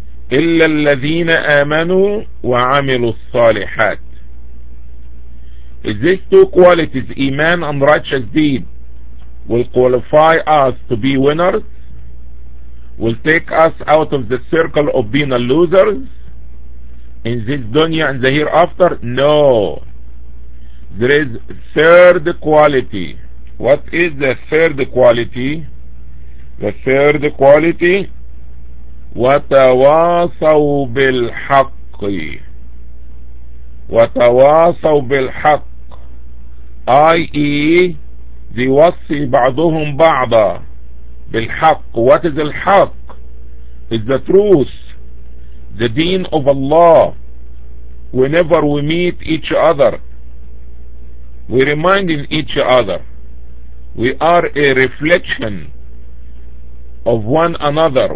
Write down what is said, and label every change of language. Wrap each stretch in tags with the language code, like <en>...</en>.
<ar>إلا الذين آمنوا وعملوا الصالحات.</ar> <en>These two qualities, Iman and righteous deed, will qualify us to be winners, will take us out of the circle of being a losers in this dunya and the hereafter? No. There is third quality. What is the third quality? The third quality,</en> <ar>وَتَوَاصَوْا بِالْحَقِّ. وَتَوَاصَوْا بِالْحَقِّ, i.e. يوصي بعضهم بعضا بالحق.</ar> <en>What is الحق? Is the truth, the deen of Allah. Whenever we meet each other, we reminding each other, we are a reflection of one another.</en>